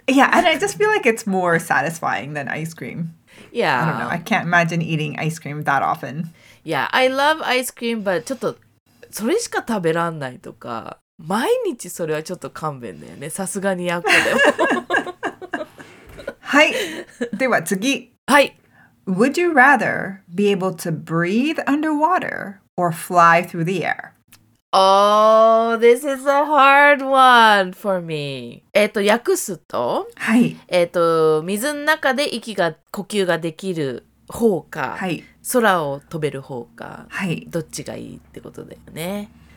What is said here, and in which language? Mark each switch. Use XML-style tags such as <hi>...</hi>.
<en>Yeah, and I just feel like it's more satisfying than ice cream. Yeah. I don't know, I can't imagine eating ice cream that often. Yeah, I love ice cream, but</en> <ja>ちょっとそれしか食べらんないとか。毎日それはちょっと勘弁だよね。さすがにやっこでも。はい。では次。はい。</ja> <en>Would you rather be able to breathe underwater or fly through the air? Oh, this is a hard one for me.</en> <ja>訳すと、はい。水の中で息が、呼吸ができる方か、はい。空を飛べる方か、はい。どっちがいいってことだよね。</ja>